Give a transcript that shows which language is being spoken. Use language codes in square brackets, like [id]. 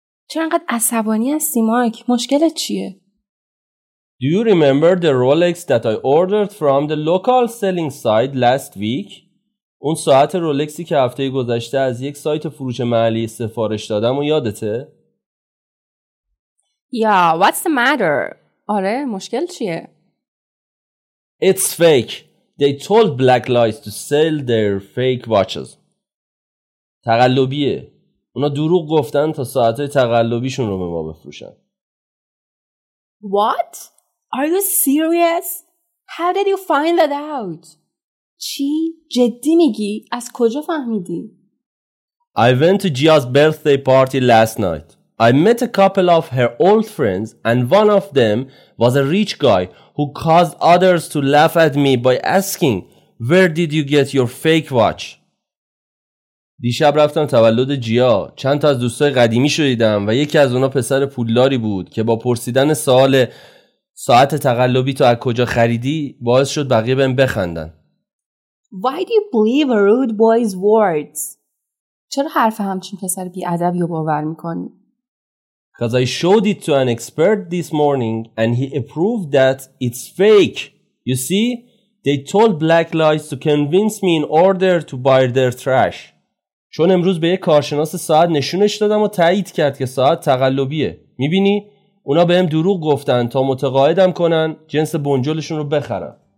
[fa] چرا انقدر عصبانی هستی, مایک؟ مشکلت چیه؟ [en] Do you remember the Rolex that I ordered from the local selling site last week? [fa] اون ساعت رولکسی که هفته گذشته از یک سایت فروش محلی سفارش دادم و یادته؟ [en] Yeah, what's the matter? [fa] آره, مشکل چیه؟ [en] It's fake. They told black lies to sell their fake watches. [fa] تقلبیه. اونا دروغ گفتن تا ساعتای تقلبیشون رو به ما بفروشن. [en] What? Are you serious? How did you find that out? [fa] چی؟ جدی میگی؟ از کجا فهمیدی؟ [en] I went to Gia's birthday party last night. I met a couple of her old friends and one of them was a rich guy who caused others to laugh at me by asking, "Where did you get your fake watch?" [fa] دیشب رفتم تولد جیا. چند تا از دوستای قدیمی شدیدم و یکی از اونا پسر پولداری بود که با پرسیدن سوال ساعت تقلبی تو از کجا خریدی باعث شد بقیه بهم بخندن. [en] Why do you believe a rude boy's words? [fa] چرا حرف همچین پسر بی ادبی رو باور میکنی؟ [en] Because I showed it to an expert this morning and he approved that it's fake. You see, they told black lies to convince me in order to buy their trash. [fa] چون امروز به یک کارشناس ساعت نشونش دادم و تایید کرد که ساعت تقلبیه. میبینی؟ اونا بهم دروغ گفتن تا متقاعدم کنن جنس بنجلشون رو بخرن.